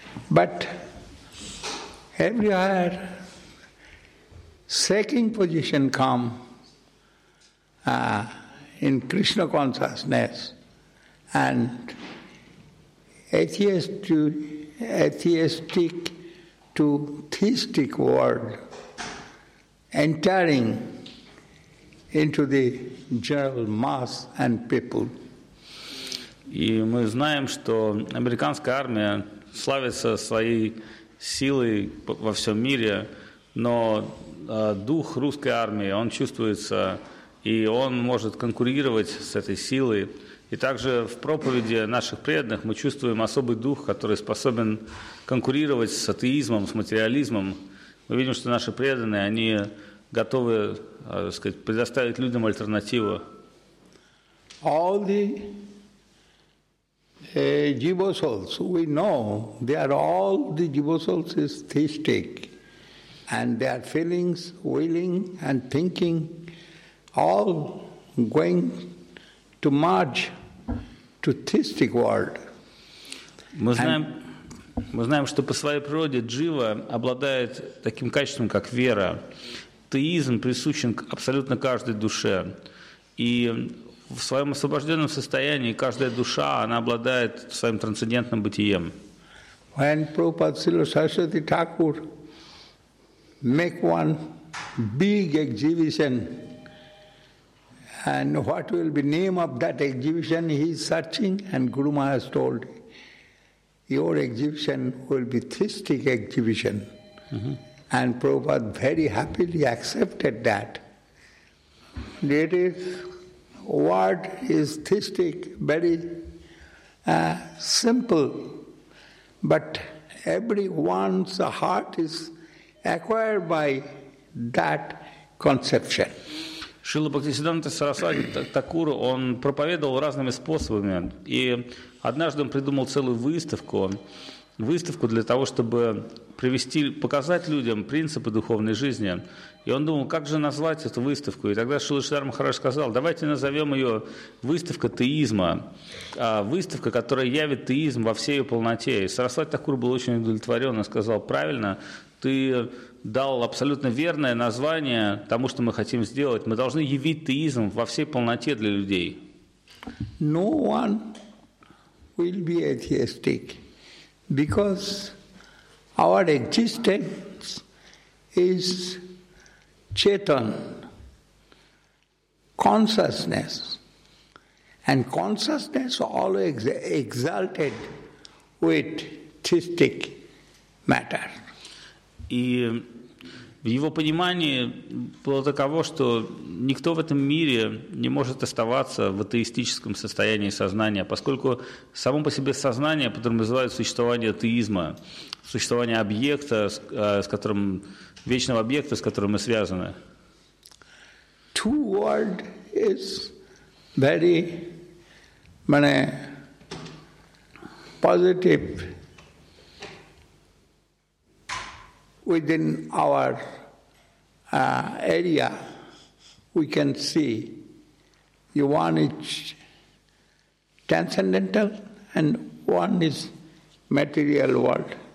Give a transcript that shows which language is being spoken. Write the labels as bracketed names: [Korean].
[English] But everywhere, second position come in Krishna consciousness, and atheistic to theistic world entering into the general mass and people. [Russian] И мы знаем, что американская армия славится своей силой во всем мире, но дух русской армии, он чувствуется, и он может конкурировать с этой силой. И также в проповеди наших преданных мы чувствуем особый дух, который способен конкурировать с атеизмом, с материализмом. Мы видим, что наши преданные, они готовы, так сказать, предоставить людям альтернативу. [English] All the jiva souls, we know, they are all the jiva souls is theistic, and their feelings, willing and thinking, all going to merge to theistic world. [Russian] Мы знаем, что по своей природе джива обладает таким качеством, как вера. Теизм присущен абсолютно каждой душе. И в своем освобожденном состоянии каждая душа, она обладает своим трансцендентным бытием. [English] When Prabhupada Srila Saraswati Thakur make one big exhibition, and what will be name of that exhibition, he is searching, and Guru Maharaj told, your exhibition will be theistic exhibition. Mm-hmm. And Prabhupada very happily accepted that. It is, word is theistic, very simple, but everyone's heart is acquired by that conception. [Russian] Шрила Бхактисиддханта Сарасвати Такур, он проповедовал разными способами, и однажды он придумал целую выставку для того, чтобы привести, показать людям принципы духовной жизни. И он думал, как же назвать эту выставку? И тогда Шрила Шридхар Махарадж сказал, давайте назовем ее «Выставка теизма», выставка, которая явит теизм во всей ее полноте. И Сарасвати Такур был очень удовлетворен, он сказал, правильно, ты дал абсолютно верное название тому, что мы хотим сделать. Мы должны явить теизм во всей полноте для людей. [English] No one will be atheistic, because our existence is chetan, consciousness. And consciousness always exalted with theistic matter. [Russian] И в его понимании было таково, что никто в этом мире не может оставаться в атеистическом состоянии сознания, поскольку само по себе сознание подразумевает существование атеизма, существование объекта, с которым, вечного объекта, с которым мы связаны. [English] Two world is very positive within our area, we can see one is transcendental and one is material world.